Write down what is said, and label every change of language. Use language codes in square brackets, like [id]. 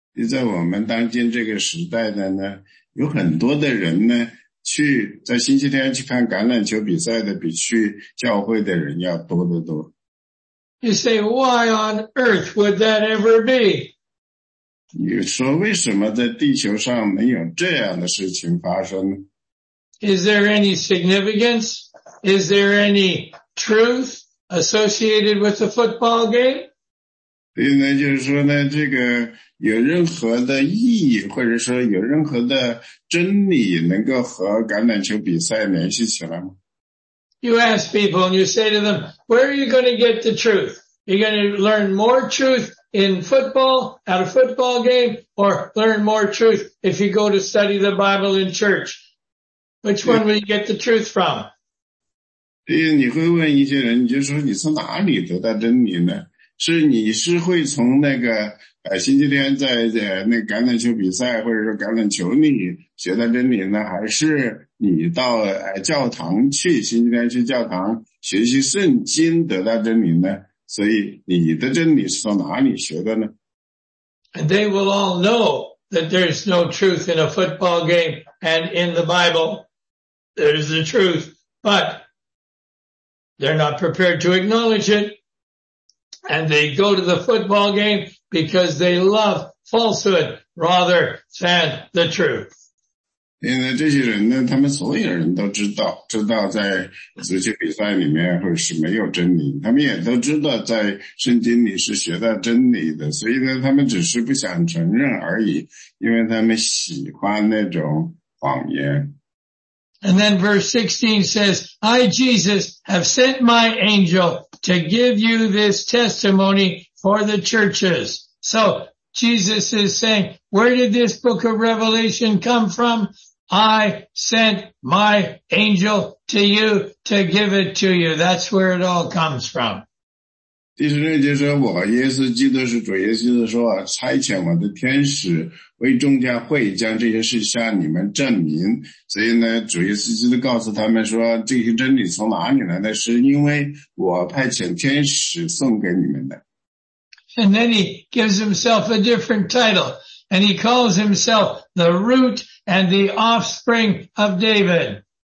[zh] 在我们当今这个时代的呢有很多的人呢去在星期天去看橄榄球比赛的比去教会的人要多得多。 [en] You say, why on earth would that ever be? [zh] 你说为什么在地球上能有这样的事情发生呢? [en] Is there any significance? Is there any truth associated with the football game? [zh] 所以呢就是说呢这个有任何的意义或者说有任何的真理能够和橄榄球比赛联系起来吗 [en] ?You ask people and you say to them, where are you going to get the truth? You're going to learn more truth in football, at a football game, or learn more truth if you go to study the Bible in church? Which one will you get the truth from? [zh] 对你会问一些人你就说你从哪里得到真理呢是你是会从那个星期天在那橄榄球比赛或者说橄榄球里学到真理呢还是你到教堂去星期天去教堂学习圣经得到真理呢所以你的真理是从哪里学的呢 [en] And they will all know that there's no truth in a football game and in the Bible there is the truth but they're not prepared to acknowledge itAnd they go to the football game because they love falsehood rather than the truth. [zh] 因为这些人呢他们所有人都知道在足球比赛里面会是没有真理他们也都知道在圣经里是学到真理的所以呢他们只是不想承认而已因为他们喜欢那种谎言。 [en] And then verse 16 says, I, Jesus, have sent my angel to give you this testimony for the churches. So, Jesus is saying, where did this book of Revelation come from? I sent my angel to you to give it to you. That's where it all comes from. [zh] 第十六节说我耶稣基督是主耶稣基督说差遣我的天使为众家会将这些事向你们证明所以呢主耶稣基督告诉他们说这些真理从哪里来呢是因为我派遣天使送给你们的 [en] And then he gives himself a different title and he calls himself the root and the offspring of David.